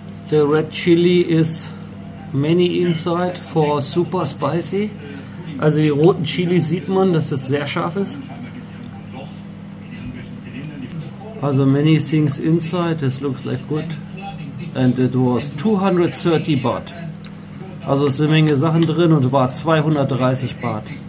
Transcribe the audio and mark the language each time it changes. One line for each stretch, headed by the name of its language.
English: The red chili is many inside for super spicy.
German: Also die roten Chili sieht man, dass es sehr scharf ist.
English: Also many things inside, this looks like good. And it was 230 baht.
German: Also es ist eine Menge Sachen drin und war 230 baht.